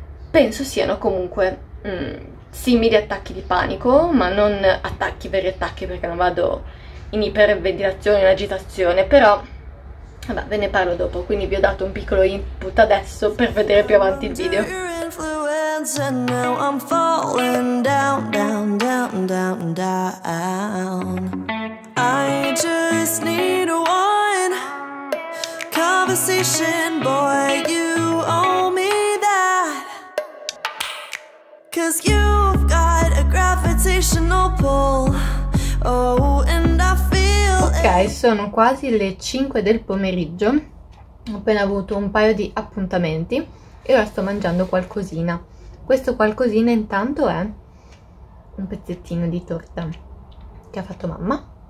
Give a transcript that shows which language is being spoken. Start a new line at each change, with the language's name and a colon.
Italian: Penso siano comunque simili attacchi di panico, ma non attacchi veri attacchi perché non vado in iperventilazione, in agitazione, però vabbè, ve ne parlo dopo, quindi vi ho dato un piccolo input adesso per vedere più avanti il video.
English: dance and now I'm falling down, down, down, down, down. I just need one conversation, boy, you owe me that. Cause you've got a gravitational pull, oh, and I feel it.
Italian: Ok, sono quasi le 5 del pomeriggio. Ho appena avuto un paio di appuntamenti e ora sto mangiando qualcosina. Questo qualcosina intanto è un pezzettino di torta che ha fatto mamma.